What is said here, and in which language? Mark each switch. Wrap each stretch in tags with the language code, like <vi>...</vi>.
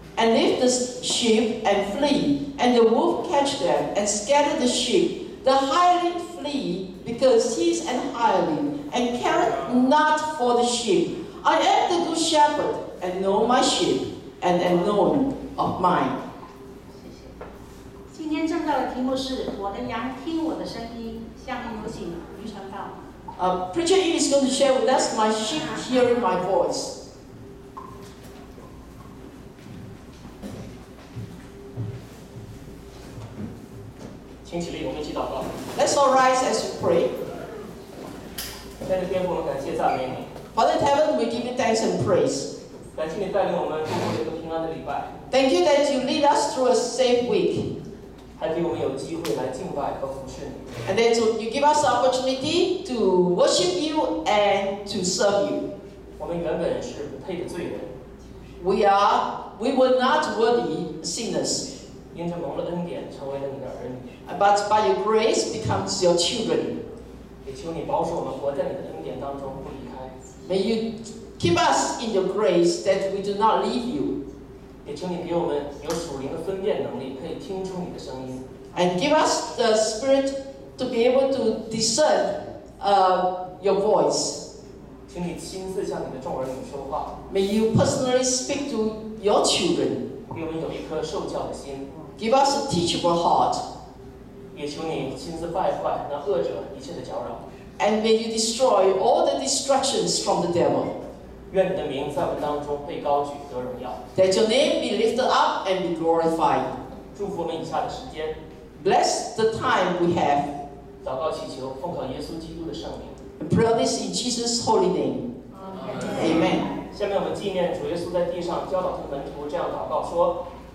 <en>And leave the sheep and flee, and the wolf catch them and scatter the sheep. The hireling flee because he is an hireling and careth not for the sheep. I am the good shepherd and know my sheep and am known of mine.</en> <zh>今天正道的题目是我的羊听我的声音，下面有请余传道。</zh> <en>Preacher Yu is going to share with us my sheep hearing my voice.</en> <zh>请起立，我们一起祷告。</zh> <en>Let's all rise as we pray.</en> <zh>在这天父，我们感谢赞美你。</zh> <en>Father in heaven, we give you thanks and praise.</en> <zh>感谢你带领我们度过一个平安的礼拜。</zh> <en>Thank you that you lead us through a safe week.</en> <zh>还给我们有机会来敬拜和服侍你。</zh> <en>And then you give us the opportunity to worship you and to serve you.</en> <zh>我们原本是不配的罪人。</zh> <en>We were not worthy sinners.</en> <zh>因着蒙了恩典，成为了你的儿女。</zh> <en>But by your grace becomes your children.</en> <zh>也求你保守我们活在你的恩典当中，不离开。</zh> <en>May you keep us in your grace that we do not leave you.</en> <zh>也请你给我们有属灵的分辨能力，可以听出你的声音。</zh> <en>And give us the spirit to be able to discern, your voice.</en> <zh>请你亲自向你的众儿女说话。</zh> <en>May you personally speak to your children.</en> <zh>给我们有一颗受教的心。</zh> <en>Give us a teachable heart.</en> <zh>也求你亲自败坏那恶者一切的搅扰。</zh> <en>And may you destroy all the distractions from the devil.</en> <zh>愿你的名在我们当中被高举得荣耀。</zh> <en>That your name be lifted up and be glorified.</en> <zh>祝福我们以下的时间。</zh> <en>Bless the time we have.</en> <zh>祷告祈求，奉靠耶稣基督的圣名。</zh> <en>Pray this in Jesus' holy name. Amen. Amen.</en> <zh>下面我们纪念主耶稣在地上教导他门徒这样祷告说。</zh>